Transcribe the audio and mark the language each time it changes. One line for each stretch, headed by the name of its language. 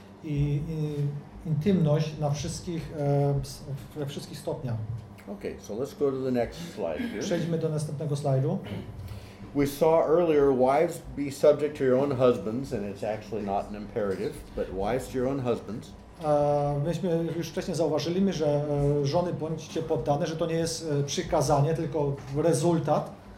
Polish: I intymność na wszystkich we wszystkich stopniach.
English: Okay, so let's go to the next slide here.
Polish: Przejdźmy do następnego slajdu.
English: We saw earlier, wives be subject to your own husbands, and it's actually not an imperative, but wives to your own husbands.
Polish: Myśmy już wcześniej zauważyli, że żony bądźcie poddane, że to nie jest przykazanie, tylko rezultat.